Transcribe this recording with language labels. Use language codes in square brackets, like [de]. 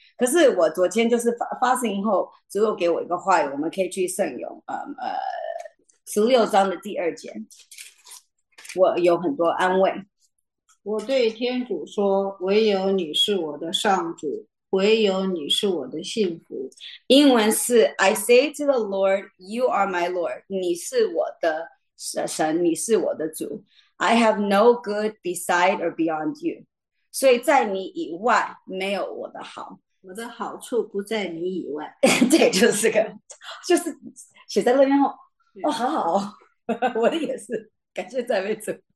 [zh] 可是我昨天就是发生以后，只有给我一个话语，我们可以去圣咏，16章的第2节，我有很多安慰。我对天主说：“唯有你是我的上主，唯有你是我的幸福。英文是 [en] "I say to the Lord, you are my Lord。" [zh] 你是我的神，你是我的主。 [en] I have no good beside or beyond you。 [zh] 所以在你以外没有我的好。我的好处不在你以外。这 就是写在那边哦，好好，我的也是，感谢赞美主。